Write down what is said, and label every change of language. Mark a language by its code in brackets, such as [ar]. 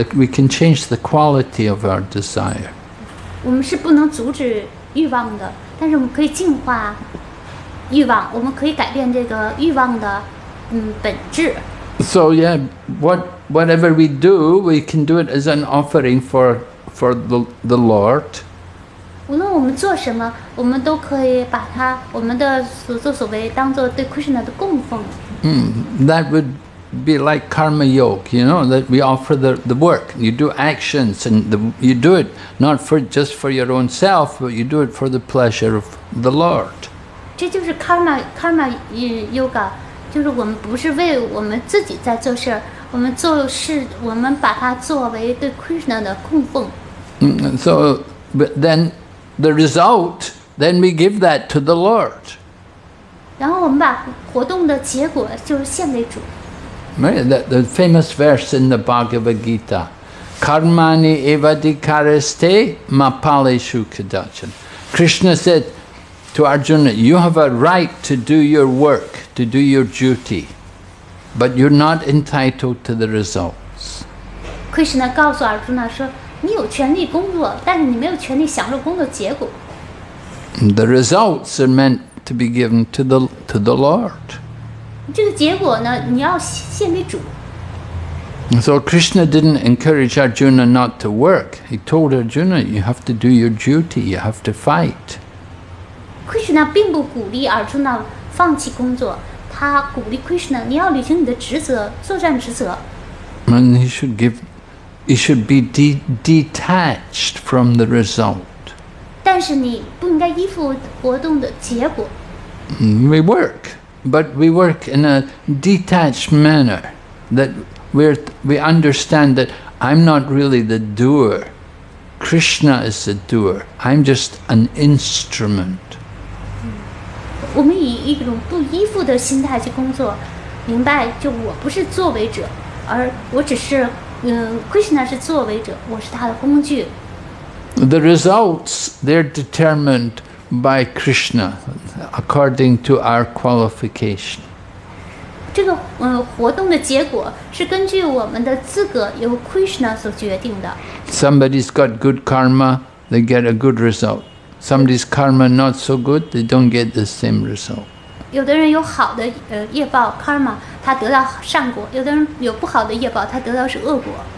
[en] We can change the quality of our desire. [zh] 我们是不能阻止欲望的，但是我们可以净化欲望。我们可以改变这个欲望的本质。 [en] So yeah, whatever we do, we can do it as an offering for the Lord. [zh] 无论我们做什么，我们都可以把它我们的所作所为当做对 Krishna 的供奉。 [en] That would be like karma yoga, you know, that we offer the work. You do actions and you do it not for just for your own self, but you do it for the pleasure of the Lord. [zh] 这就是 karma yoga, 就是我们不是为我们自己在做事，我们做事，我们把它作为对 Krishna 的供奉。 [en] So, but then the result, then we give that to the Lord. [zh] 然后我们把活动的结果就是献给主。 [en] The famous verse in the Bhagavad Gita, [sa] Karmani evadikareste mapale shukadachan. [en] Krishna said to Arjuna, you have a right to do your work, to do your duty, but you're not entitled to the results. [zh] Krishna 告诉 Arjuna 说，你有权利工作，但是你没有权利享受工作结果。 [en] The results are meant to be given to the Lord. [zh] 这个结果呢，你要献给主。 [en] So Krishna didn't encourage Arjuna not to work. He told Arjuna, you have to do your duty, you have to fight. [zh] Krishna 并不鼓励 Arjuna 放弃工作，他鼓励 Krishna, 你要履行你的职责，作战职责。 [en] And he should be detached from the result. [zh] 但是你不应该依附活动的结果。 [en] We work, but we work in a detached manner that we understand that I'm not really the doer. Krishna is the doer. I'm just an instrument. [zh] 我们以一种不依附的心态去工作，明白就我不是作为者，而我只是Krishna 是作为者，我是他的工具。 [en] The results, they're determined by Krishna according to our qualification. [zh] 这个活动的结果是根据我们的资格由 Krishna 所决定的。 [en] Somebody's got good karma, they get a good result. Somebody's karma not so good, they don't get the same result. [zh] 有的人有好的业报 karma, 他得到善果，有的人有不好的业报，他得到是恶果。